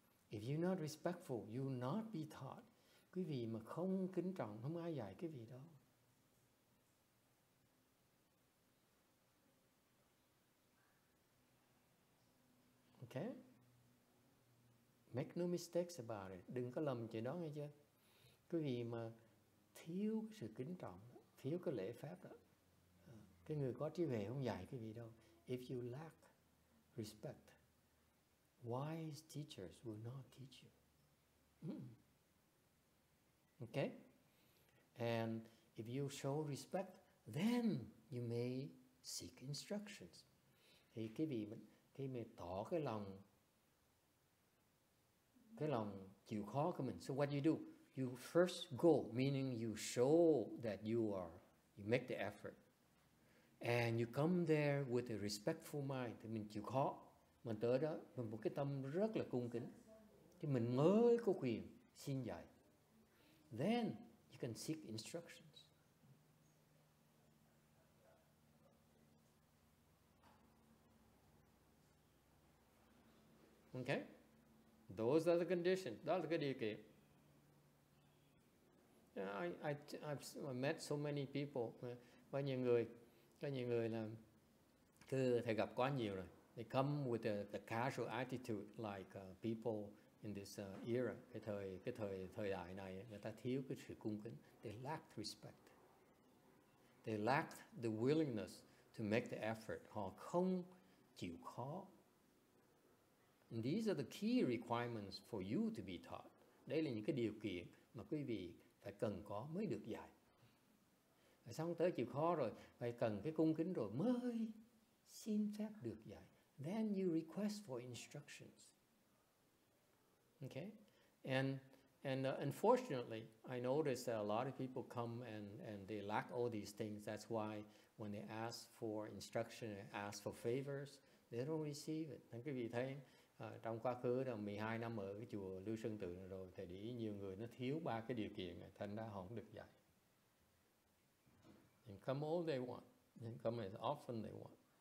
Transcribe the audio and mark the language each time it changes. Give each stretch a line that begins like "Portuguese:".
English: If you're not respectful, you will not be taught.
Vietnamese: Quý vị mà không kính trọng, không ai dạy quý vị đâu.
English: Okay? Make no mistakes about it.
Vietnamese: Đừng có lầm chuyện đó nghe chưa? Quý vị mà thiếu sự kính trọng, thiếu cái lễ phép đó. Cái người có trí huệ không dạy quý vị đâu.
English: If you lack respect, wise teachers will not teach you. Okay, and if you show respect, then you may seek instructions.
Vietnamese: Thì quý vị khi mà tỏ cái lòng chịu khó của mình.
English: So what do? You first go, meaning you show that you make the effort, and you come there with a respectful mind.
Vietnamese: Thì mình chịu khó, mình tới đó mình một cái tâm rất là cung kính, thì mình mới có quyền xin dạy.
English: Then you can seek instructions. Okay? Those are the conditions. That's the điều kiện. I've met so many people.
Vietnamese: Có nhiều người là cứ thầy gặp quá nhiều rồi.
English: They come with the casual attitude like people in this era,
Vietnamese: cái thời đại này,
English: người ta thiếu cái sự cung kính. They lacked respect. They lacked the willingness to make the effort.
Vietnamese: Họ không chịu khó.
English: And these are the key requirements for you to be taught.
Vietnamese: Đây là những cái điều kiện mà quý vị phải cần có mới được dạy. Và xong tới chịu khó rồi, phải cần cái cung kính rồi mới xin phép được dạy.
English: Then you request for instructions. Okay, and unfortunately, I notice that a lot of people come and they lack all these things. That's why when they ask for instruction, they ask for favors, they don't receive it.
Vietnamese: Thưa quý vị thấy, trong quá khứ là 12 năm ở cái chùa Lưu Sơn Tự rồi, thầy để ý nhiều người nó thiếu ba cái điều kiện, thành ra họ không được dạy.
English: They come all they want, they come as often they want.